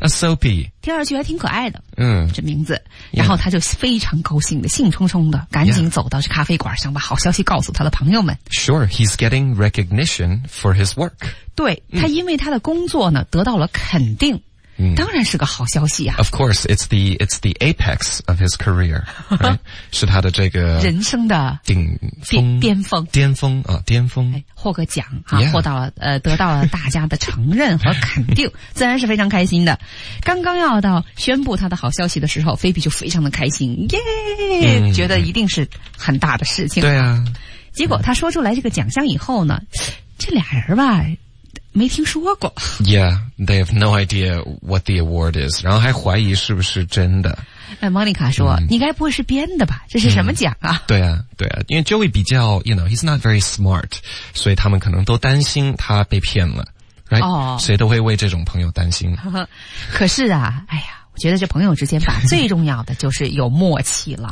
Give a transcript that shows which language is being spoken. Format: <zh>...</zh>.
<en>A Soapy.</en> <zh>听上去还挺可爱的。嗯。这名字。然后他就非常高兴的兴冲冲的赶紧走到去咖啡馆想把好消息告诉他的朋友们。</zh> <en>Sure, he's getting recognition for his work.</en> <zh>对他因为他的工作呢得到了肯定。当然是个好消息啊。</zh> <en>Of course, it's the apex of his career, right?</en> <zh>是他的这个人生的顶峰巅峰巅峰啊巅峰。获个奖啊、yeah. 获到了得到了大家的承认和肯定自然是非常开心的。刚刚要到宣布他的好消息的时候菲比就非常的开心耶、觉得一定是很大的事情。对啊。结果他说出来这个奖项以后呢这俩人吧没听说过。</zh> <en>Yeah, they have no idea what the award is.</en> <zh>然后还怀疑是不是真的。 Monica 说、你该不会是编的吧这是什么奖啊、对啊对啊。因为 Joey 比较</zh> <en>you know, he's not very smart,</en> <zh>所以他们可能都担心他被骗了。 Right?、谁都会为这种朋友担心。可是啊哎呀我觉得这朋友之间吧最重要的就是有默契了。</zh>